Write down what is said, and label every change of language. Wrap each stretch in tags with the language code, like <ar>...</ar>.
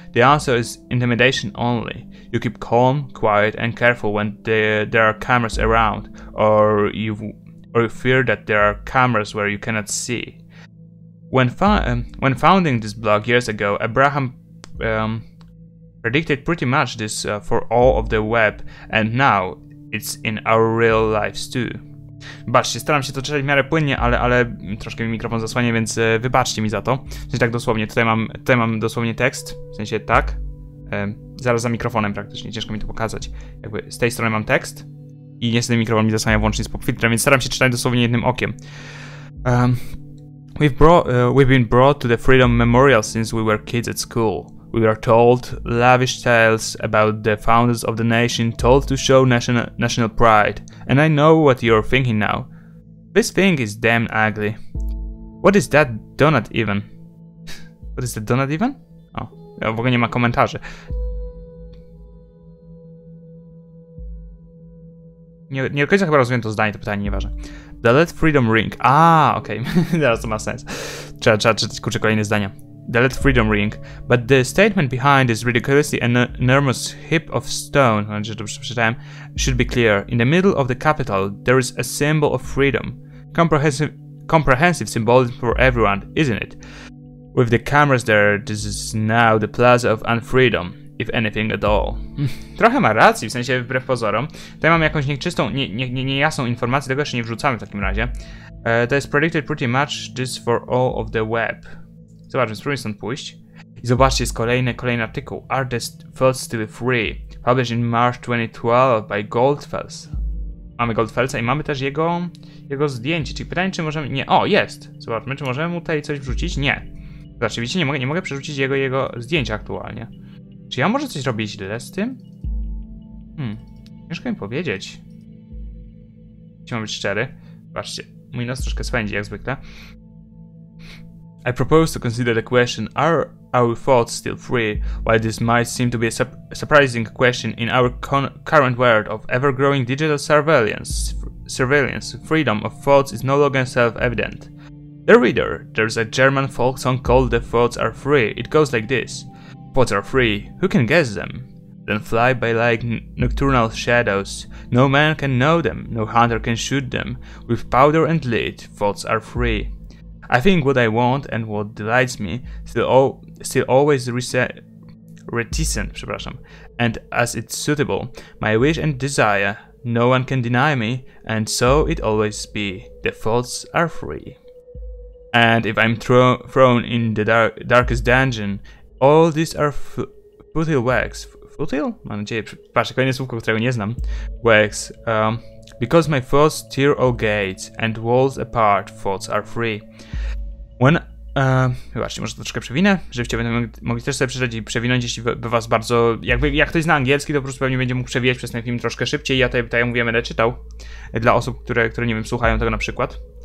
<en>The answer is intimidation only. You keep calm, quiet and careful when there are cameras around, or you fear that there are cameras where you cannot see. When founding this blog years ago, Abraham predicted pretty much this for all of the web, and now it's in our real lives too.</en> <pl>Wybaczcie, staram się to czytać w miarę płynnie, ale troszkę mi mikrofon zasłania, więc wybaczcie mi za to. W sensie tak dosłownie, tutaj mam dosłownie tekst, w sensie tak, zaraz za mikrofonem praktycznie, ciężko mi to pokazać. Jakby z tej strony mam tekst i niestety mikrofon mi zasłania włącznie z popfiltrem, więc staram się czytać dosłownie jednym okiem.</pl> <en>We've been brought to the Freedom Memorial since we were kids at school. We were told lavish tales about the founders of the nation, told to show national pride. And I know what you're thinking now. This thing is damn ugly. What is that donut even? What is that donut even?</en> <pl>O, ja w ogóle nie ma komentarzy. Nie do końca chyba rozumiem to zdanie, to pytanie, nieważne.</pl> <en>The Let Freedom Ring.</en> <pl>Okej. Okay. Teraz to ma sens. Trzeba czytać, kurczę, kolejne zdania.</pl> <en>The Let Freedom Ring, but the statement behind this ridiculously enormous heap of stone, should be clear. In the middle of the capital, there is a symbol of freedom. Comprehensive symbolism for everyone, isn't it? With the cameras there, this is now the plaza of unfreedom, if anything at all.</en> <pl>Trochę ma racji, w sensie wbrew pozorom. Tutaj mam jakąś nieczystą, niejasną informację, tego jeszcze nie wrzucamy w takim razie. To jest</pl> <en>predicted pretty much this for all of the web.</en> <pl>Zobaczmy, spróbujmy stąd pójść. I zobaczcie, jest kolejny artykuł.</pl> <en>Artist felt still free. Published in March 2012 by Goldfels.</en> <pl>Mamy Goldfelsa i mamy też jego zdjęcie. Czyli pytanie, czy możemy... Nie, o, jest! Zobaczmy, czy możemy mu tutaj coś wrzucić? Nie. Zobaczcie, widzicie, nie mogę przerzucić jego zdjęcia aktualnie. Czy ja może coś robić źle z tym? Ciężko mi powiedzieć. Chciałbym być szczery. Zobaczcie, mój nos troszkę spędzi, jak zwykle.</pl> <en>I propose to consider the question, are our thoughts still free? While this might seem to be a surprising question in our current world of ever-growing digital surveillance, freedom of thoughts is no longer self-evident. The reader, there's a German folk song called The Thoughts Are Free. It goes like this. Thoughts are free, who can guess them? Then fly by like nocturnal shadows. No man can know them, no hunter can shoot them. With powder and lead, thoughts are free. I think what I want and what delights me still always reticent,</en> <pl>przepraszam,</pl> <en>and as it's suitable, my wish and desire, no one can deny me, and so it always be. The thoughts are free. And if I'm thrown in the darkest dungeon, all these are futile wags. Futile?</en> <pl>Mam nadzieję, patrzę, kolejne słówko, którego nie znam.</pl> <en>Wags. Because my thoughts tear all gates and walls apart, thoughts are free. When...</en> <pl>właśnie, może troszkę przewinę, żebyście będą mogli też sobie przeczytać i przewinąć, jeśli by was bardzo... Jak ktoś zna angielski, to po prostu pewnie będzie mógł przewijać przez ten film troszkę szybciej. Ja tutaj mówię, będę czytał. Dla osób, które nie wiem, słuchają tego na przykład.</pl>